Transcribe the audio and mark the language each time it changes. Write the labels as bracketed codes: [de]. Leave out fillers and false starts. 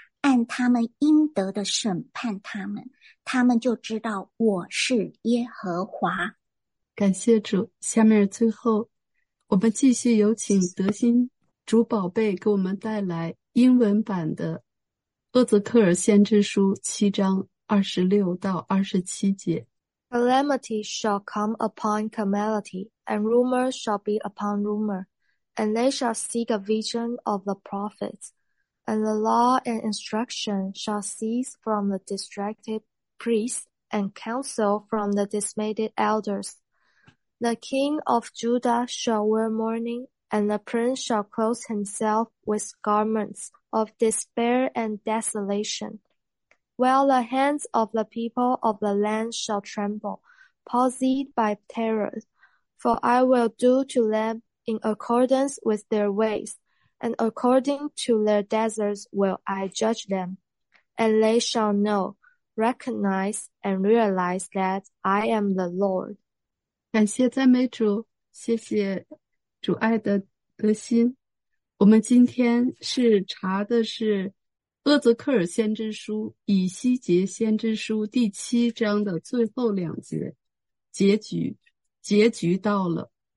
[zh] 按他们应得的审判他们，他们就知道我是耶和华。感谢主，下面最后，我们继续有请德馨主宝贝给我们带来英文版的《厄泽克尔先知书》7章26到27节。 [en] Calamity shall come upon calamity, and rumor shall be upon rumor, and they shall seek a vision of the prophets. And the law and instruction shall cease from the distracted priests and counsel from the dismayed elders. The king of Judah shall wear mourning, and the prince shall clothe himself with garments of despair and desolation. While the hands of the people of the land shall tremble, palsied by terror, for I will do to them in accordance with their ways, and according to their deserts will I judge them. And they shall know, recognize, and realize that I am the Lord. [zh] 感谢赞美主，谢谢主爱的德心。我们今天是查的是厄泽克尔先知书、以西结先知书第七章的最后两节，结局到了。